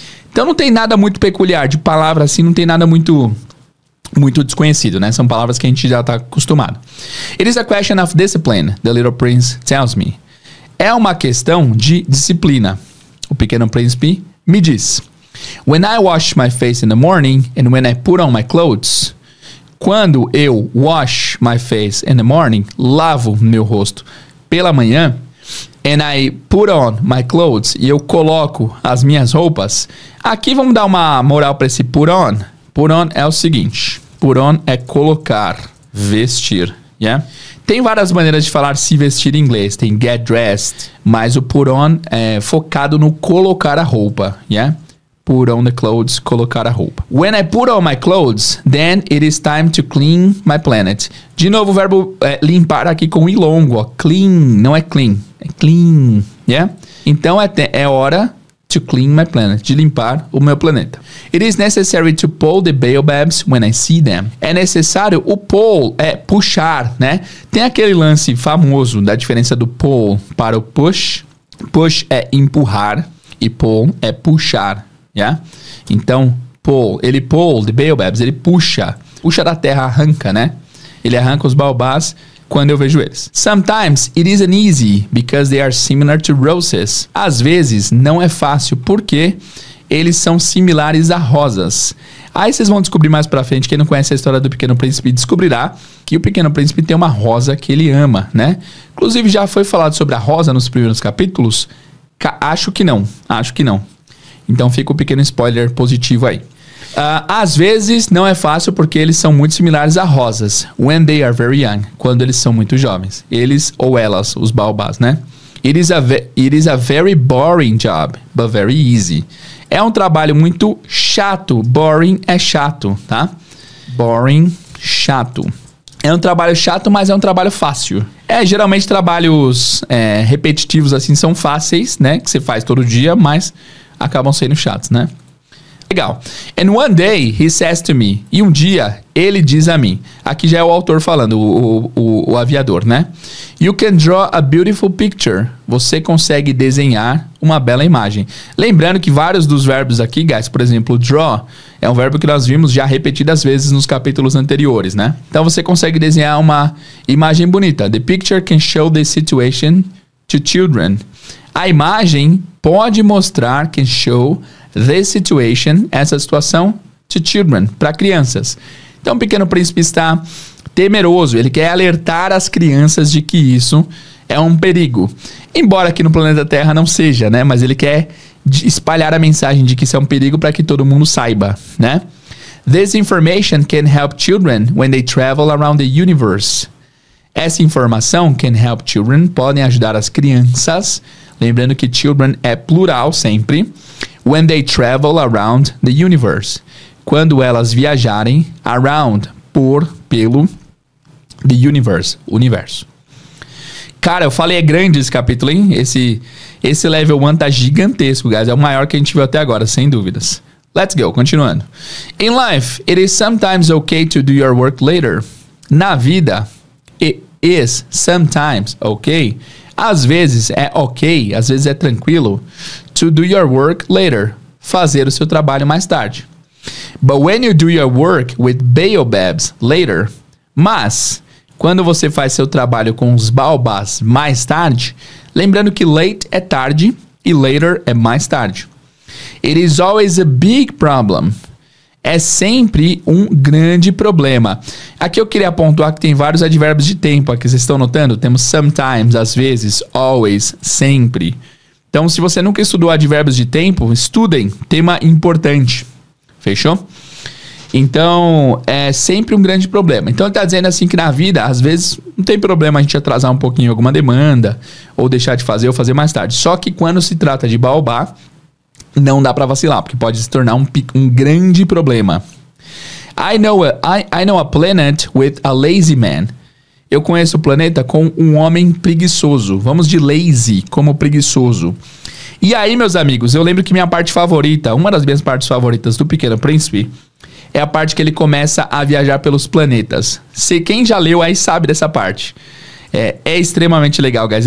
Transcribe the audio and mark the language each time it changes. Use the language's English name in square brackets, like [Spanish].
[Portuguese] Então não tem nada muito peculiar de palavra assim, não tem nada muito, muito desconhecido, né? São palavras que a gente já está acostumado. [English] It is a question of discipline, the little prince tells me. [Portuguese] É uma questão de disciplina, o pequeno príncipe me diz. [English] When I wash my face in the morning and when I put on my clothes... [Portuguese] Quando eu [English] wash my face in the morning, [Portuguese] lavo meu rosto pela manhã... [English] And I put on my clothes, [Portuguese] e eu coloco as minhas roupas. Aqui vamos dar uma moral para esse put on. Put on é o seguinte. Put on é colocar, vestir. Yeah? Tem várias maneiras de falar se vestir em inglês. Tem get dressed. Mas o put on é focado no colocar a roupa. Yeah? [English] Put on the clothes, [Portuguese] colocar a roupa. [English] When I put on my clothes, then it is time to clean my planet. [Portuguese] De novo, o verbo é limpar aqui com i longo. Ó. Clean, não é clean. Clean, yeah? Então é hora [English] to clean my planet, [Portuguese] de limpar o meu planeta. [English] It is necessary to pull the baobabs when I see them. [Portuguese] É necessário o pull, é puxar, né? Tem aquele lance famoso da diferença do pull para o push. Push é empurrar e pull é puxar, yeah? Então [English] pull the baobabs, [Portuguese] ele puxa da terra, arranca, né? Ele arranca os baobabs quando eu vejo eles. [English] Sometimes it isn't easy because they are similar to roses. [Portuguese] Às vezes não é fácil porque eles são similares a rosas. Aí vocês vão descobrir mais pra frente, quem não conhece a história do Pequeno Príncipe descobrirá que o Pequeno Príncipe tem uma rosa que ele ama, né? Inclusive já foi falado sobre a rosa nos primeiros capítulos? Acho que não. Então fica um pequeno spoiler positivo aí. Às vezes não é fácil porque eles são muito similares a rosas. [English] When they are very young, [Portuguese] quando eles são muito jovens. Eles ou elas, os baobás, né? [English] It is a very boring job, but very easy. [Portuguese] É um trabalho muito chato. Boring é chato, tá? Boring, chato. É um trabalho chato, mas é um trabalho fácil. É, geralmente trabalhos repetitivos assim são fáceis, né? Que você faz todo dia, mas acabam sendo chatos, né? Legal. [English] And one day he says to me. [Portuguese] E um dia ele diz a mim. Aqui já é o autor falando, o aviador, né? [English] You can draw a beautiful picture. [Portuguese] Você consegue desenhar uma bela imagem. Lembrando que vários dos verbos aqui, guys, por exemplo, draw, é um verbo que nós vimos já repetidas vezes nos capítulos anteriores, né? Então você consegue desenhar uma imagem bonita. [English] The picture can show the situation to children. [Portuguese] A imagem pode mostrar, [English] can show the situation, [Portuguese] essa situação, [English] to children, [Portuguese] para crianças. Então o Pequeno Príncipe está temeroso, ele quer alertar as crianças de que isso é um perigo. Embora aqui no planeta Terra não seja, né? Mas ele quer espalhar a mensagem de que isso é um perigo para que todo mundo saiba, né? [English] This information can help children when they travel around the universe. [Portuguese] Essa informação, [English] can help children, [Portuguese] podem ajudar as crianças. Lembrando que children é plural sempre. [English] When they travel around the universe. [Portuguese] Quando elas viajarem around, por, pelo, the universe, universo. Cara, eu falei, é grande esse capítulo, hein? Esse level 1 tá gigantesco, guys. É o maior que a gente viu até agora, sem dúvidas. [English] Let's go, [Portuguese] continuando. [English] In life, it is sometimes okay to do your work later. [Portuguese] Na vida, [English] it is sometimes okay. [Portuguese] Às vezes é ok, às vezes é tranquilo. [English] To do your work later. [Portuguese] Fazer o seu trabalho mais tarde. [English] But when you do your work with baobabs later. [Portuguese] Mas, quando você faz seu trabalho com os baobás mais tarde. Lembrando que late é tarde e later é mais tarde. [English] It is always a big problem. [Portuguese] É sempre um grande problema. Aqui eu queria pontuar que tem vários advérbios de tempo aqui. Vocês estão notando? Temos sometimes, às vezes, always, sempre. Então, se você nunca estudou advérbios de tempo, estudem. Tema importante. Fechou? Então, é sempre um grande problema. Então, ele está dizendo assim que na vida, às vezes, não tem problema a gente atrasar um pouquinho alguma demanda ou deixar de fazer ou fazer mais tarde. Só que quando se trata de baobá, não dá pra vacilar, porque pode se tornar um grande problema. [English] I know a planet with a lazy man. [Portuguese] Eu conheço o planeta com um homem preguiçoso. Vamos de lazy, como preguiçoso. E aí, meus amigos, eu lembro que minha parte favorita, uma das minhas partes favoritas do Pequeno Príncipe, é a parte que ele começa a viajar pelos planetas. Se quem já leu aí sabe dessa parte. É extremamente legal, guys.